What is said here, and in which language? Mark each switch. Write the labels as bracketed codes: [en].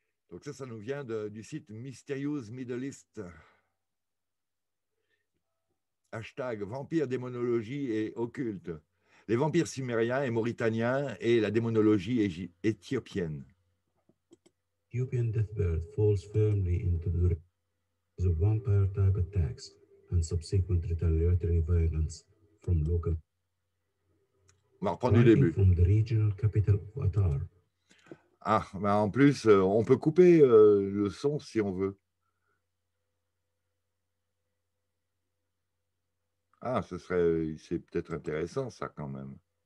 [fr] Donc ça nous vient du site Mysterious Middle East. Hashtag vampire démonologie et occulte. Les vampires sumériens et mauritaniens et la démonologie éthiopienne. [en] Ethiopian deathbed falls firmly into the realm of vampire type attacks and subsequent retaliatory violence from local. [fr] On va reprendre du début. [en] From the regional capital of Attar. [fr] Ah, mais en plus, on peut couper le son si on veut. Ah, c'est peut-être intéressant ça quand même.